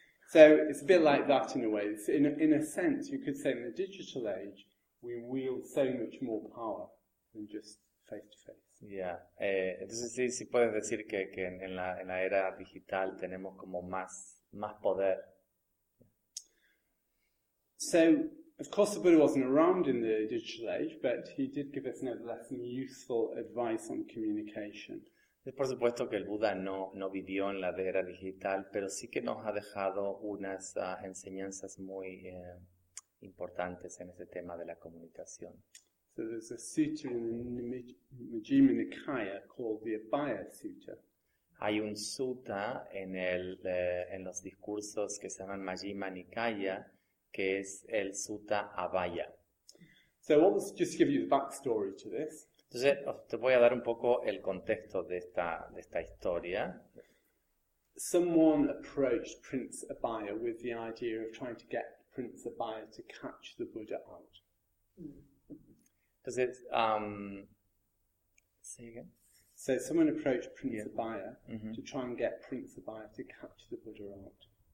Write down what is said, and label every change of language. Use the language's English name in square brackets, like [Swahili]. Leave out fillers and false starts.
[English] So it's a bit like that in a way. It's in a sense, you could say in the digital age, we wield so much more power than just face to face. Yeah. [Spanish] Entonces sí, sí pueden decir que en la era digital tenemos como más más poder. [English] So, of course, the Buddha wasn't around in the digital age, but he did give us nevertheless some useful advice on communication. [Spanish] Por supuesto que el Buda no vivió en la era digital, pero sí que nos ha dejado unas enseñanzas muy importantes en este tema de la comunicación. [English] So there's a sutta in the Majjhima Nikaya called the Abhaya Sutta. [Spanish] Hay un sutta en el en los discursos que se llaman Majjhima Nikaya, que es el sutta Abhaya. [English] So I'll just give you the backstory to this. [Spanish] Entonces, te voy a dar un poco el contexto de esta historia. [English] Someone approached Prince Abhaya with the idea of trying to get Prince Abhaya to catch the Buddha out. Entonces, say again. So someone approached Prince yeah. Abhaya mm-hmm. to try and get Prince Abhaya to catch the Buddha out.